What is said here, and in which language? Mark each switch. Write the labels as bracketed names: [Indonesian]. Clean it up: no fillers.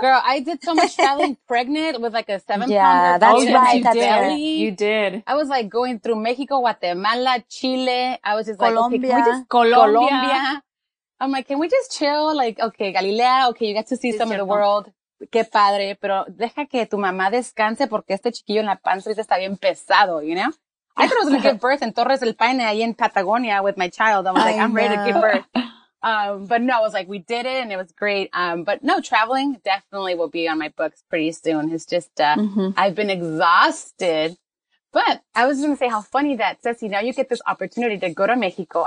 [English] Girl, I did so much traveling pregnant with like a 7-pounder. Yeah, that's oh, right. That's you, did. You did. I was like going through Mexico, Guatemala, Chile. I was just Colombia. Like, okay, we just Colombia. I'm like, can we just chill? Like, okay, Galilea. Okay, you got to see some of the world. [Spanish] Qué padre, pero deja que tu mamá descanse porque este chiquillo en la panza está bien pesado, [English] you know? I thought I was going to give birth in Torres del Paine in Patagonia with my child. I was like, I'm ready to give birth. But no, I was like, we did it and it was great. But no, traveling definitely will be on my books pretty soon. It's just, I've been exhausted. But I was going to say how funny that, Ceci, now you get this opportunity to go to Mexico.